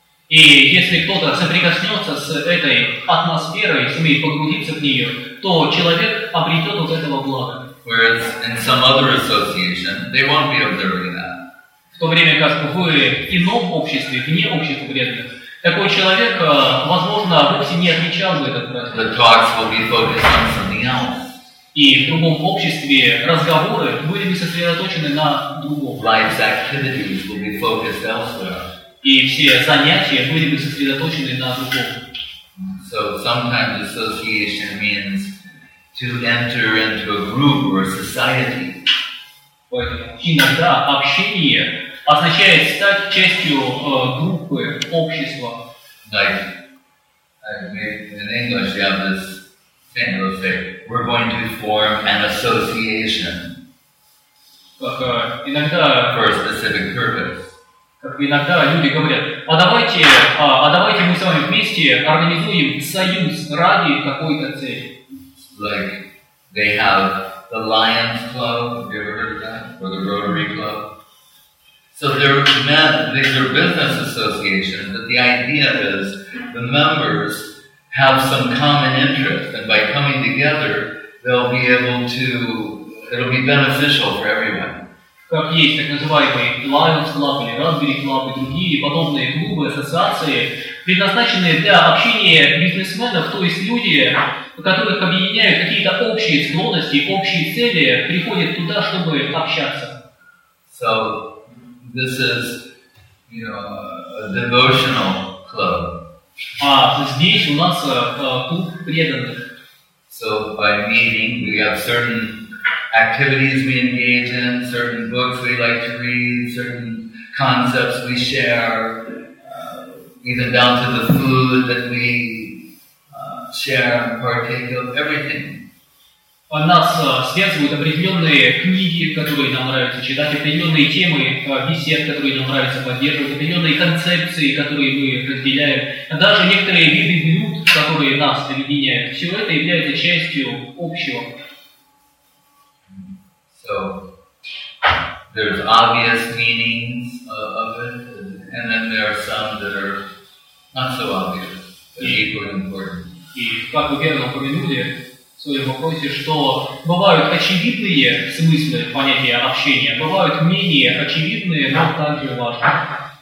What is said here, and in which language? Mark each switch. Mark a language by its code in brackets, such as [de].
[ru] И если кто-то соприкоснется с этой атмосферой, сумеет погрузиться в нее, то человек обретет вот этого блага. [en] Whereas in some other association, they won't be observing that. [ru] В то время как в ином обществе, вне общества преданных, такой человек, возможно, вовсе не отмечал бы этот праздник. [en] The talks will be focused on something else. [ru] И в другом обществе разговоры были бы сосредоточены на другом. [en] Life's activities will be focused elsewhere. [ru] И все занятия были бы сосредоточены на другом. [en] So sometimes association means to enter into a group or a society. [ru] Иногда общение означает стать частью группы, общества. [en] Like, in English you have this thing, they'll say, we're going to form an association for a specific purpose. [ru] Как иногда люди говорят, а давайте мы с вами вместе организуем союз ради какой-то цели. [en] Like they have the Lions Club, have you ever heard of that? Or the Rotary Club? So they're men, these are business associations, but the idea is the members have some common interest, and by coming together, they'll be able to, it'll be beneficial for everyone. [ru] Как есть так называемые Lions Club или Raspberry Club и другие подобные клубы, ассоциации, предназначенные для общения бизнесменов, то есть люди, которых объединяют какие-то общие склонности, общие цели, приходят туда, чтобы общаться. [en] So, this is, a devotional club. [ru] А здесь у нас клуб преданных. [en] So, by meeting, we have certain activities we engage in, certain books we like to read, certain concepts we share, even down to the food that we share and partake of, everything. [ru] У нас связывают определенные книги, которые нам нравится читать, определенные темы бесед, которые нам нравится поддерживать, определенные концепции, которые мы разделяем, даже некоторые виды блюд, которые нас объединяют. Все это является частью общего. [en] So, there's obvious meanings of it, and then there are some that are not so obvious, but equally important. [ru] И как вы верно упомянули в своем вопросе, что бывают очевидные смыслы понятия общения, бывают менее очевидные, но также важные.